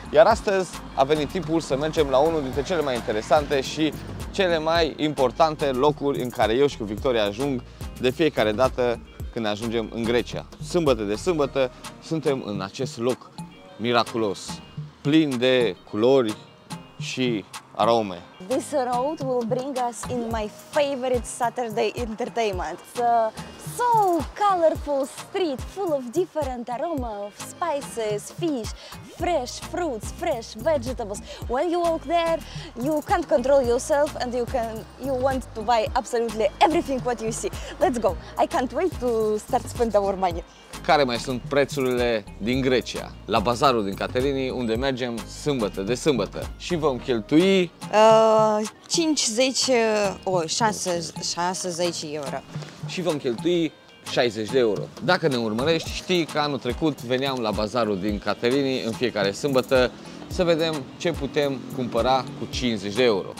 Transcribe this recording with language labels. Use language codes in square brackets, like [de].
[ro] Iar astăzi a venit timpul să mergem la unul dintre cele mai interesante și cele mai importante locuri în care eu și cu Victoria ajung de fiecare dată când ne ajungem în Grecia. Sâmbătă de sâmbătă suntem în acest loc miraculos, plin de culori și arome. [en] This road will bring us in my favorite Saturday entertainment. So colorful street full of different aroma of spices, fish, fresh fruits, fresh vegetables. When you walk there, you can't control yourself and you want to buy absolutely everything what you see. Let's go. I can't wait to start spend our money. [ro] Care mai sunt prețurile din Grecia? La bazarul din Caterinii, unde mergem sâmbătă de sâmbătă și vom cheltui 60 euro. Și vom cheltui 60 de euro. Dacă ne urmărești, știi că anul trecut veneam la bazarul din Caterinii în fiecare sâmbătă să vedem ce putem cumpăra cu 50 de euro.